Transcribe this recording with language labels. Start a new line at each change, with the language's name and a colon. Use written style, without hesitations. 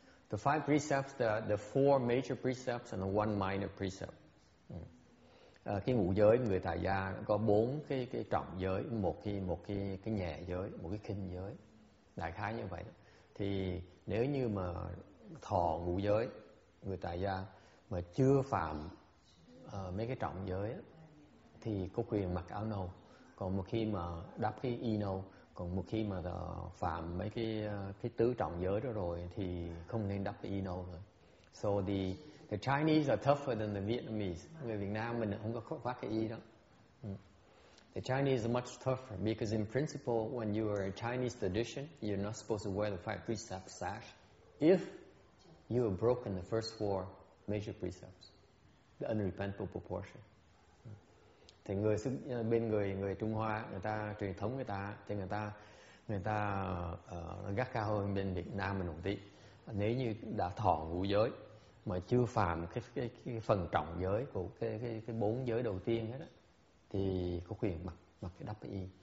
English: The five precepts, the four major precepts and the one minor precept.
Vietnamese: Cái ngũ giới người tại gia có bốn cái trọng giới, một cái nhẹ giới, một cái khinh giới, đại khái như vậy. Thì nếu như mà thọ ngũ giới người tại gia mà chưa phạm mấy cái trọng giới thì có quyền mặc áo nâu. Còn một khi mà đắp cái y nâu, còn một khi mà phạm mấy cái tứ trọng giới đó rồi thì không nên đắp cái y nâu nữa.
English: So the Chinese are tougher than the Vietnamese.
Vietnamese: Người Việt Nam mình không có khoác cái y đó.
English: The Chinese are much tougher because in principle when you are a Chinese tradition, you're not supposed to wear the five precept sash if you have broken the first four major precepts, the unrepentable proportion.
Vietnamese: Thì bên người Trung Hoa người ta truyền thống người ta thì người ta gắt cao hơn bên Việt Nam mình một tí. Nếu như đã thọ ngũ giới mà chưa phạm cái phần trọng giới của cái bốn giới đầu tiên hết đó, thì có quyền mặc cái đắp y.